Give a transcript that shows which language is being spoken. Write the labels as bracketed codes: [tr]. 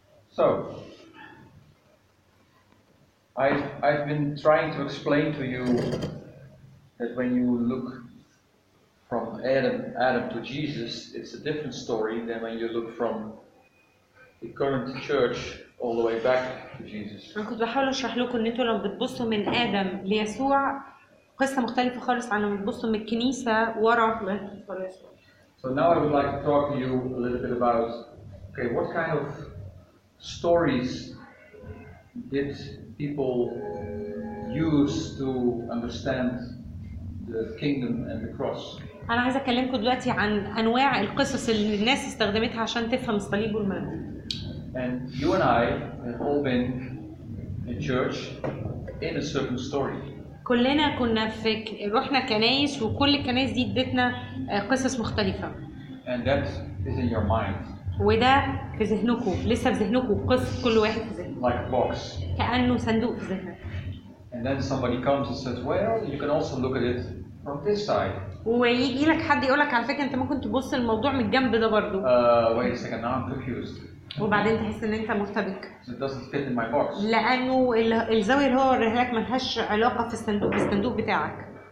[en] So, I've been trying to explain to you that when you look from Adam to Jesus, it's a different story than when you look from the current church all the way back to Jesus. [ar] أنا كنت بحاول أشرح لكم إن أنتوا لما بتبصوا من آدم ليسوع قصة مختلفة خالص عن لما بتبصوا من الكنيسة ورا يسوع. [en] So now I would like to talk to you a little bit about, okay, what kind of stories did people use to understand the kingdom and the cross. [ar] أنا عايز أكلمكم دلوقتي عن أنواع القصص اللي الناس استخدمتها عشان تفهم الصليب والملكوت. [en] And you and I have all been in church in a certain story. [ar] كلنا كنا في رحنا كنائس وكل الكنائس دي ادتنا قصص مختلفة. [en] And that is in your mind. [ar] وده في ذهنكم لسه في ذهنكم قص كل واحد في ذهنه [en] like box. [ar] كأنه صندوق في ذهنه. [en] And then somebody comes and says, well, you can also look at it from this side. [ar] ويجي لك حد يقولك على فكرة أنت ممكن تبص الموضوع من الجنب ده برضو. [en] Wait a second, now I'm confused. [ar] وبعدين تحس إن أنت مرتبك. [en] It doesn't fit in my box. [ar] لأنه الزاوية هو رهلك ما لهاش علاقة في الصندوق بالصندوق بتاعك.